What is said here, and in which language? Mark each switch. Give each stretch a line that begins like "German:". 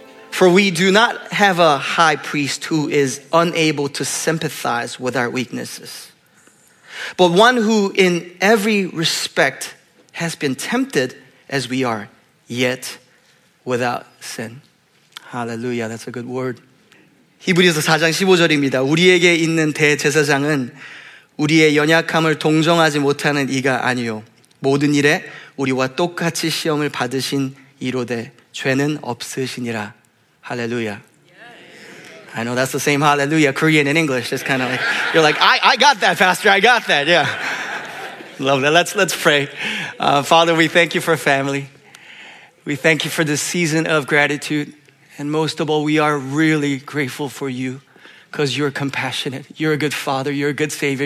English: For we do not have a high priest who is unable to sympathize with our weaknesses, but one who in every respect has been tempted as we are, yet without sin. Hallelujah. That's a good word.
Korean: 히브리서 4장 15절입니다. 우리에게 있는 대제사장은 우리의 연약함을 동정하지 못하는 이가 아니요 모든 일에 우리와 똑같이 시험을 받으신 이로되 죄는 없으시니라.
English: Hallelujah. I know that's the same hallelujah Korean and English. It's kind of like, you're like, I got that, Pastor. I got that. Yeah. Love that. Let's pray. Father, we thank you for family. We thank you for this season of gratitude. And most of all, we are really grateful for you because you're compassionate. You're a good father. You're a good savior.